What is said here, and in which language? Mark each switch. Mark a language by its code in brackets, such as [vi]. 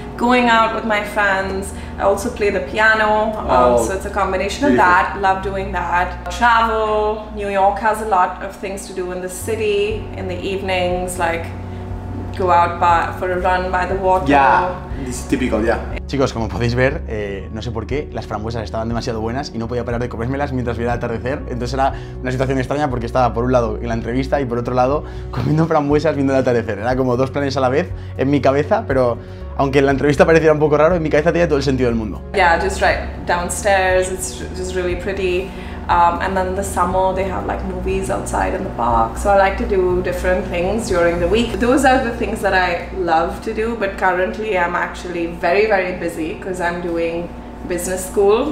[en] going out with my friends. I also play the piano, so it's a combination of that. Love doing that. Travel. New York has a lot of things to do in the city in the evenings, like go out for a run by the water. Yeah. It's typical, yeah. [es] Chicos, como podéis ver, no sé por qué, las frambuesas estaban demasiado buenas y no podía parar de comérmelas mientras veía el atardecer. Entonces era una situación extraña porque estaba por un lado en la entrevista y por otro lado comiendo frambuesas viendo el atardecer. Era como dos planes a la vez en mi cabeza, pero aunque en la entrevista pareciera un poco raro, en mi cabeza tenía todo el sentido del mundo. [en] Yeah, just right downstairs, it's just really pretty. And then the summer they have like movies outside in the park, so I like to do different things during the week. Those are the things that I love to do, but currently I'm actually very, very busy because I'm doing business school.